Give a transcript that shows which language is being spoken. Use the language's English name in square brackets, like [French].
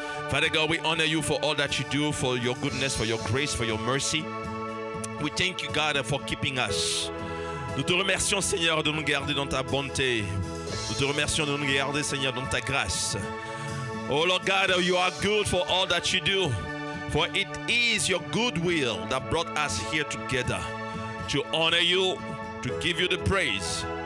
[English] Father God, we honor you for all that you do, for your goodness, for your grace, for your mercy. We thank you, God, for keeping us. [French] Nous te remercions, Seigneur, de nous garder dans ta bonté. Nous te remercions de nous garder, Seigneur, dans ta grâce. [English] Oh, Lord God, you are good for all that you do. For it is your goodwill that brought us here together. To honor you, to give you the praise.